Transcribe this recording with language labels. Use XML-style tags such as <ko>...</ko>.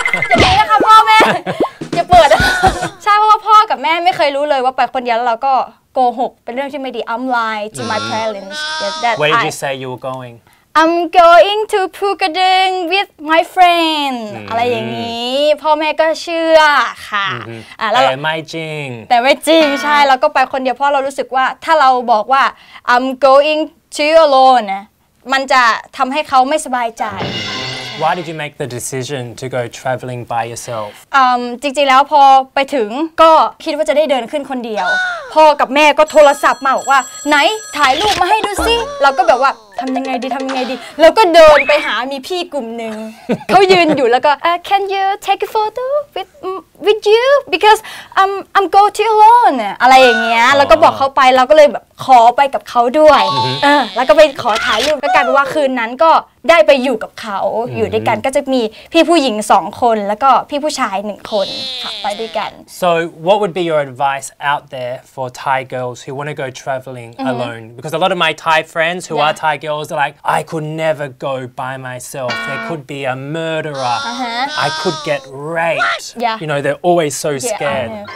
<th>จะเปิดนะคะพ่อแม่จะเปิดใช่เพราะว่าพ่อกับแม่ไม่เคยรู้เลยว่าไปคนเดียวเราก็โกหกเป็นเรื่องที่ไม่ดี</th> <en>I'm lying to my parents. Where did you say you were going? I'm going to Pugaboo.TV with my friend.</en> <th>อะไรอย่างนี้พ่อแม่ก็เชื่อค่ะ แต่ไม่จริง แต่ไม่จริงใช่เราก็ไปคนเดียวเพราะเรารู้สึกว่าถ้าเราบอกว่า</th> <en>I'm going to you alone</en> <th>มันจะทำให้เขาไม่สบายใจ</th> <en>Why did you make the decision to go traveling by yourself?</en> <th>จริงๆแล้วพอไปถึงก็คิดว่าจะได้เดินขึ้นคนเดียวพ่อกับแม่ก็โทรศัพท์มาบอกว่าไหนถ่ายรูปมาให้ดูซิเราก็แบบว่าทำยังไงดีแล้วก็เดินไปหามีพี่กลุ่มนึง เขายืนอยู่แล้วก็</th> <en>Can you take a photo with you because I'm go to alone</en> <th>อะไรอย่างเงี้ย แล้วก็บอกเขาไปเราก็เลยแบบขอไปกับเขาด้วย แล้วก็ไปขอถ่ายรูปก็กลายเป็นว่าคืนนั้นก็ได้ไปอยู่กับเขา อยู่ด้วยกันก็จะมีพี่ผู้หญิง2คนแล้วก็พี่ผู้ชาย1คนค่ะไปด้วยกัน</th> <en>So what would be your advice out there for Thai girls who want to go traveling alone because a lot of my Thai friends who are Thai girls are like I could never go by myself there could be a murderer I could get raped you know they're always so scared</en>